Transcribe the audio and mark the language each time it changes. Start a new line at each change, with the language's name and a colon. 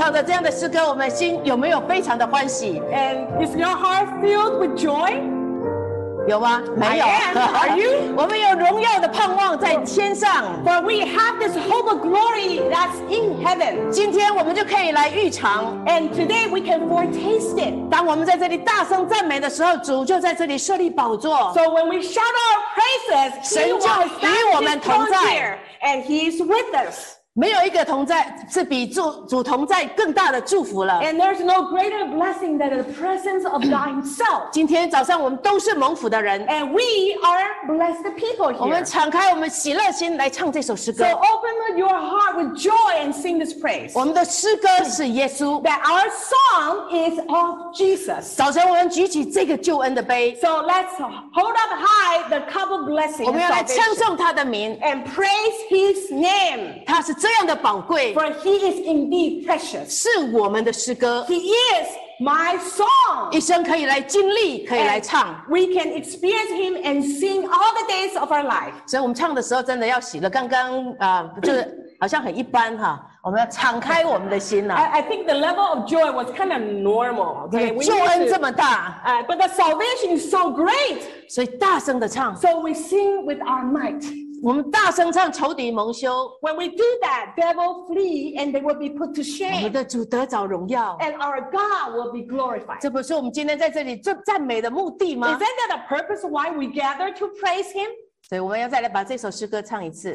Chinese: 样的诗歌，我们心有没有非常的欢喜
English: ？And is your heart filled with joy？
Chinese: 有吗？没有。
English: Are you？
Chinese: 我们有荣耀的盼望在天上。
English: For we have this hope of glory that's in heaven。
Chinese: 今天我们就可以来预尝。
English: And today we can foretaste it。
Chinese: 当我们在这里大声赞美的时候，主就在这里设立宝座。
English: So when we shout our praises，
Chinese: 神就与我们同在。
English: And he is with us。
Chinese: 没有一个同在是比 主同在更大的祝福了。
English: And there's no greater blessing than the presence of God himself.
Chinese: 今天早上我们都是蒙福的人。
English: And we are blessed people here.
Chinese: 我们敞开我们喜乐心来唱这首诗歌。
English: So open your heart with joy and sing this praise.
Chinese: 我们的诗歌是耶稣。
English: That our song is of Jesus.
Chinese: 早上我们举起这个救恩的杯。
English: So let's hold up high the cup of blessing.
Chinese: 我们要来称颂他的名。
English: And praise his name.
Chinese: 他是这样的宝贵，
English: For he is indeed precious.
Chinese: 是我们的诗歌。
English: He is my song.
Chinese: 一生可以来经历，可以来唱。
English: We can experience him and sing all the days of our life.
Chinese: 所以我们唱的时候真的要喜乐。刚刚就是好像很一般哈。我们要敞开我们的心呐、
English: 啊。I think the level of joy was kind of normal.
Chinese: 救恩这么大。
English: But the salvation is so great.
Chinese: 所以大声的唱。
English: So we sing with our might.
Chinese: 我们大声唱，仇敌蒙羞。
English: When we do that, devil flee and they will be put to shame.
Chinese: 我们的主得着荣耀。
English: And our God will be glorified.
Chinese: 这不是我们今天在这里最赞美的目的吗
English: ？Isn't that the purpose why we gather to praise Him?
Chinese: 所以我们要再来把这首诗歌唱一次。